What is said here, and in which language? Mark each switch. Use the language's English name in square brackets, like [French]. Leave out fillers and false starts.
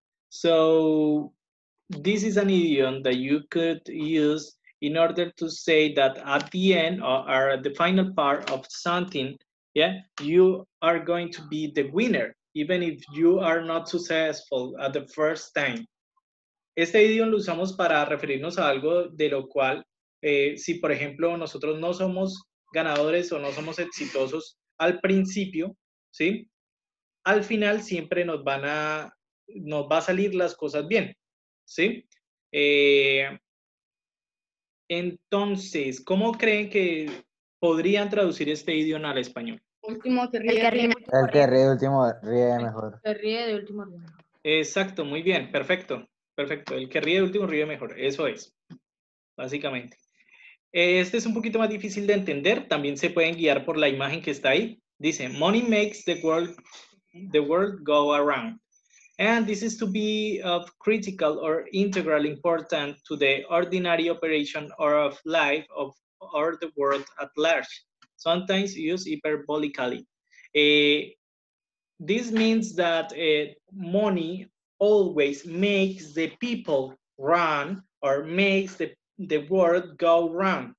[English] So this is an idiom that you could use in order to say that at the end or at the final part of something, yeah, you are going to be the winner, even if you are not successful at the first time. [Spanish] Este idioma lo usamos para referirnos a algo de lo cual, si por ejemplo nosotros no somos ganadores o no somos exitosos al principio, ¿sí? Al final siempre nos va a salir las cosas bien, ¿sí? Entonces, ¿cómo creen que podrían traducir este idioma al español? El que ríe de último ríe mejor. Exacto, muy bien, perfecto. Perfecto, el que ríe de último ríe mejor, eso es, básicamente. Este es un poquito más difícil de entender, también se pueden guiar por la imagen que está ahí. Dice, [English] money makes the world go around. And this is to be of critical or integral importance to the ordinary operation or of life of or the world at large. Sometimes used hyperbolically. This means that money always makes the people run or makes the world go round.